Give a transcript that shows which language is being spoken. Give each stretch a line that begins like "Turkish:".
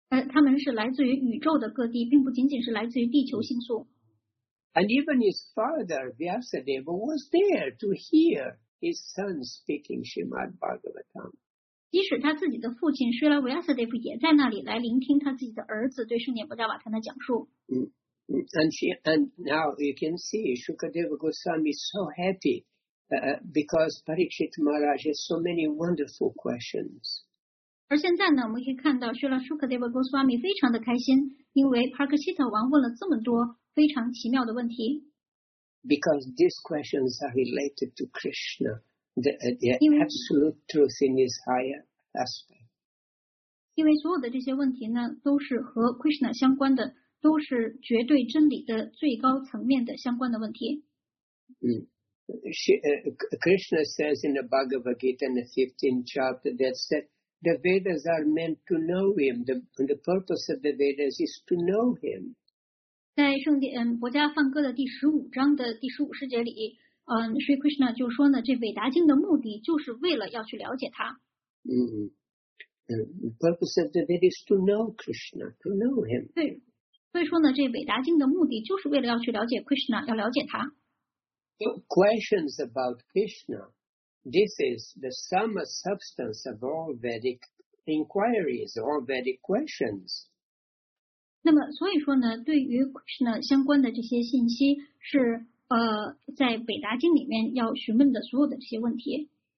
Chinese: 他们是来自于宇宙的各地，并不仅仅是来自于地球星宿。
English: And even his father Vyasadeva was there to hear his son speaking Srimad Bhagavatam.
Chinese: 即使他自己的父亲Srila Vyasadeva也在那里来聆听他自己的儿子对圣典伯达瓦坦的讲述。
English: And now you can see Shukadeva Goswami is so happy because Parikshit Maharaj has so many wonderful questions.
Chinese: 而现在呢，我们可以看到Srila Shukadeva Goswami非常的开心，因为Parikshita王问了这么多非常奇妙的问题。
English: Because these questions are related to Krishna, the absolute truth in his higher aspect.
Chinese: 因为所有的这些问题呢，都是和 Krishna 相关的，都是绝对真理的最高层面的相关的问题。
English: Krishna says in the Bhagavad Gita in the 15th chapter that said,The Vedas are meant to know him. The purpose of the Vedas is to know him.
Chinese: 在圣典伯加梵歌的第十五章的第十五世界里，Sri Krishna 就说呢，这伟达经的目的就是为了要去了解他。
English: The purpose of the Vedas is to know Krishna, to know him.
Chinese: 对，所以说呢，这伟达经的目的就是为了要去了解 Krishna, 要了解他。
English: So, questions about Krishna This is the sum and substance of all Vedic inquiries, all Vedic questions.
Chinese: 那么所以说呢，对于 Krishna 相关的这些信息是在北达经里面要询问的所有的这些问题。